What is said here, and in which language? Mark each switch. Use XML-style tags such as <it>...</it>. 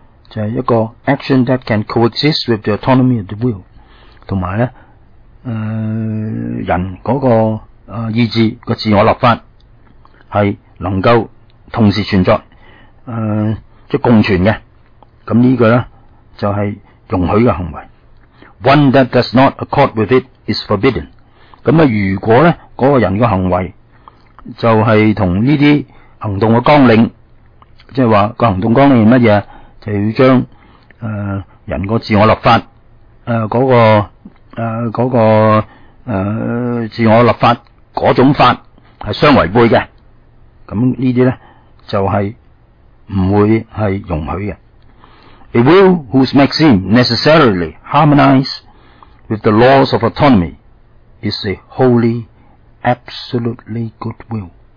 <yue>就系一个</yue> <en>action that can coexist with the autonomy of the will，</en> <yue>同埋咧，人嗰、那个意志个自我立法系能够同时存在，即共存嘅。咁呢个咧就系、是、容许嘅行为。</yue> <en>One that does not accord with it is forbidden。</en> <yue>咁如果咧嗰、那个人嘅行为就系同呢啲行动嘅纲领，即系话个行动纲领系乜嘢？就要将人个自我立法自我立法嗰种法系相违背嘅。咁呢啲咧就系、是、唔会系容许嘅。</yue> <en>A will whose maxim necessarily harmonizes with the laws of autonomy is a holy, absolutely good will.</en>